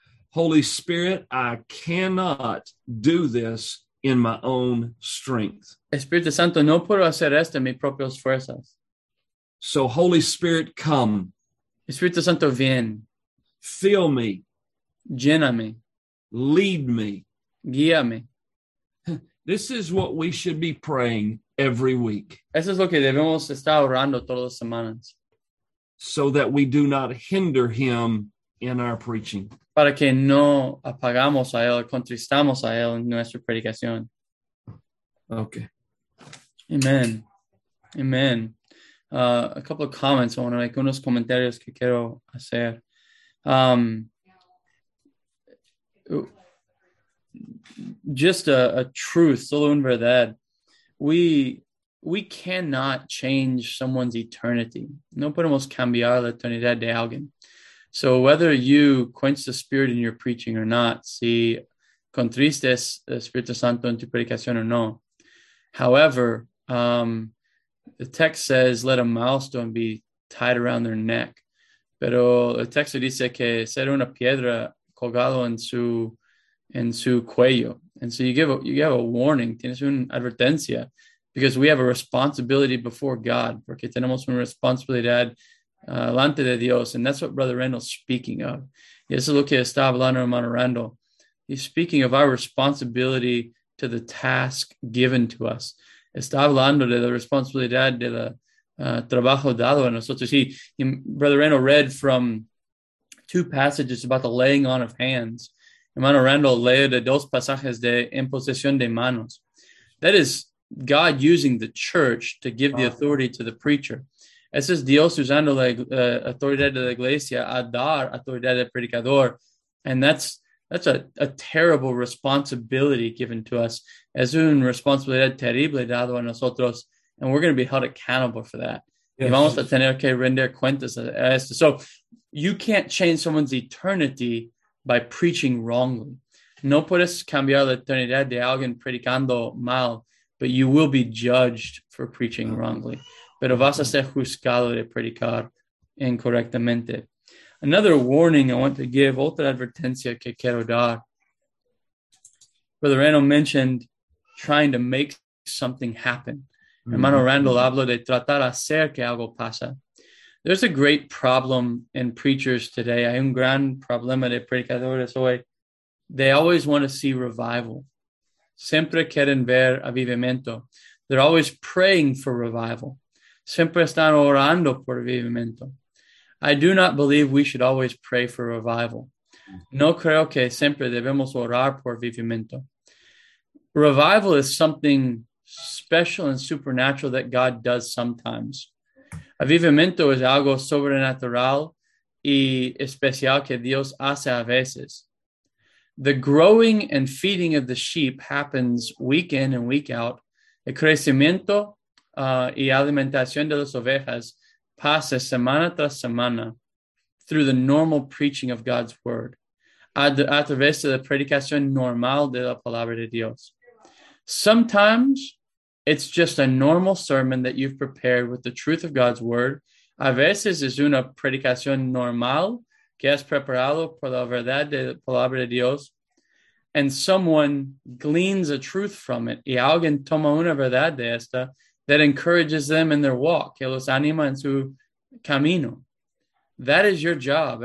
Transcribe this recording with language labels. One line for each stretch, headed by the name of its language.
English: Holy Spirit, I cannot do this in my own strength.
Spanish: Espíritu Santo, no puedo hacer esto en mis propias fuerzas.
English: So Holy Spirit, come.
Spanish: Espíritu Santo, ven.
English: Fill me.
Spanish: Lléname.
English: Lead me.
Spanish: Guíame.
English: This is what we should be praying every week.
Spanish: Eso es lo que debemos estar orando todas las semanas.
English: So that we do not hinder him in our preaching.
Spanish: Para que no apagamos a él, contristamos a él en nuestra predicación.
English: Okay. Amen. Amen. A couple of comments. I want to make
Spanish: unos comentarios que quiero hacer.
English: Just a truth,
Spanish: solo un verdad.
English: We cannot change someone's eternity.
Spanish: No podemos cambiar la eternidad de alguien.
English: So whether you quench the Spirit in your preaching or not,
Spanish: si contristes el Espíritu Santo en tu predicación o no.
English: However, the text says, let a milestone be tied around their neck.
Spanish: Pero el texto dice que será una piedra colgado en su cuello.
English: And so you give a warning,
Spanish: tienes una advertencia,
English: because we have a responsibility before God,
Spanish: porque tenemos una responsabilidad delante de Dios.
English: And that's what Brother Randall's speaking of.
Spanish: Y eso es lo que está hablando hermano Randall.
English: He's speaking of our responsibility to the task given to us.
Spanish: Está hablando de la responsabilidad de la trabajo dado a nosotros.
English: He, Brother Randall read from two passages about the laying on of hands.
Spanish: Hermano Randall leyó de dos pasajes de imposición de manos.
English: That is God using the church to give the authority to the preacher.
Spanish: Ese es Dios usando la autoridad de la iglesia a dar autoridad al predicador.
English: And that's That's a terrible responsibility given to us.
Spanish: Es una responsabilidad terrible dado a nosotros,
English: and we're going to be held accountable for that.
Spanish: Yes. Y vamos a tener que render cuentas a esto.
English: So you can't change someone's eternity by preaching wrongly.
Spanish: No puedes cambiar la eternidad de alguien predicando mal,
English: but you will be judged for preaching wrongly.
Spanish: Pero vas a ser juzgado de predicar incorrectamente.
English: Another warning I want to give,
Spanish: otra advertencia que quiero dar.
English: Brother Randall mentioned trying to make something happen. Mm-hmm.
Spanish: Hermano Randall habló de tratar hacer que algo pasa.
English: There's a great problem in preachers today.
Spanish: Hay un gran problema de predicadores hoy.
English: They always want to see revival.
Spanish: Siempre quieren ver avivamiento.
English: They're always praying for revival.
Spanish: Siempre están orando por avivamiento.
English: I do not believe we should always pray for revival.
Spanish: No creo que siempre debemos orar por avivamiento.
English: Revival is something special and supernatural that God does sometimes.
Spanish: Avivamiento es algo sobrenatural y especial que Dios hace a veces.
English: The growing and feeding of the sheep happens week in and week out.
Spanish: El crecimiento y alimentación de las ovejas pasa semana tras semana
English: through the normal preaching of God's word,
Spanish: a través de la predicación normal de la palabra de Dios.
English: Sometimes it's just a normal sermon that you've prepared with the truth of God's word.
Spanish: A veces es una predicación normal que has preparado por la verdad de la palabra de Dios.
English: And someone gleans a truth from it.
Spanish: Y alguien toma una verdad de esta
English: that encourages them in their walk.
Spanish: Que los anima en su camino.
English: That is your job.